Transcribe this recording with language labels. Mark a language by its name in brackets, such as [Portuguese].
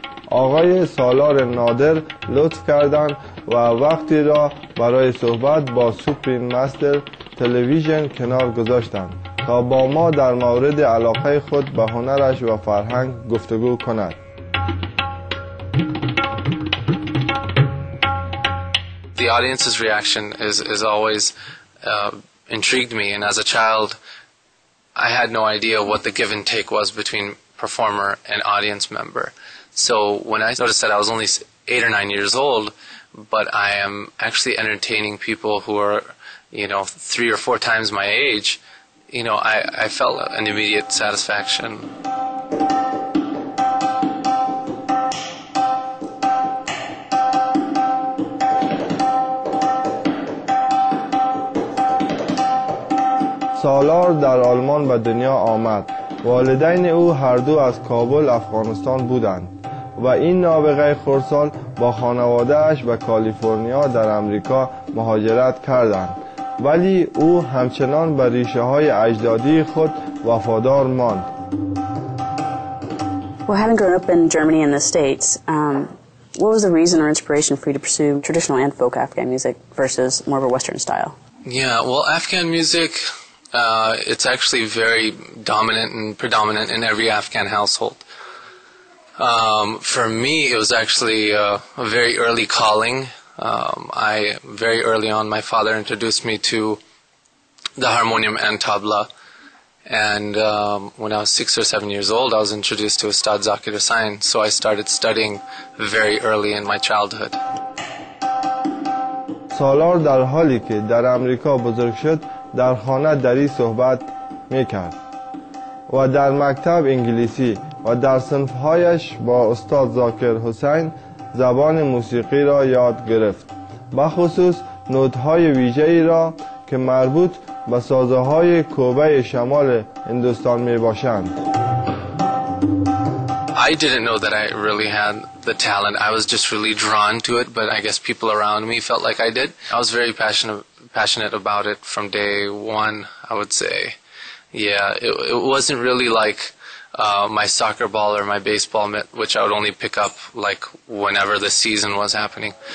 [Persian] آقای سالار نادر لطف کردند و وقتی را برای صحبت با سوپرین مستر تلویزیون کنار گذاشتند تا با ما در مورد علاقه خود به هنرش و فرهنگ گفتگو کند. [English] The audience's reaction is always intrigued me, and as a child, I had no idea what the give and take was between performer and audience member. So when I noticed that I was only 8 or 9 years old, but I am actually entertaining people who are, you know, 3 or 4 times my age, you know, I felt an immediate satisfaction. [Persian] سالار در آلمان به دنیا آمد. والدین او هر دو از کابل افغانستان بودند و این نابغه خردسال با خانواده‌اش به کالیفرنیا در امریکا مهاجرت کردند، ولی او همچنان به ریشه های اجدادی خود وفادار ماند. [English] Well, having grown up in Germany and the States, what was the reason or inspiration for you to pursue traditional and folk Afghan music versus more of a Western style? Yeah, well, Afghan music It's actually very dominant and predominant in every Afghan household. For me, it was actually a very early calling. Very early on, my father introduced me to the harmonium and tabla. And when I was 6 or 7 years old, I was introduced to Ustad Zakir Hussain. So I started studying very early in my childhood. [Persian] سالار در حالی که در امریکا بزرگ شد در خانه دری صحبت می کرد و در مکتب انگلیسی و در صنفهایش با استاد زاکر حسین زبان موسیقی را یاد گرفت بخصوص نوت‌های ویژه‌ای را که مربوط به سازه‌های کوبه شمال هندوستان می باشند [English] I didn't know that I really had the talent. I was just really drawn to it, but I guess people around me felt like I did. I was very passionate about it from day one, I would say. Yeah, it wasn't really like my soccer ball or my baseball mitt, which I would only pick up like whenever the season was happening.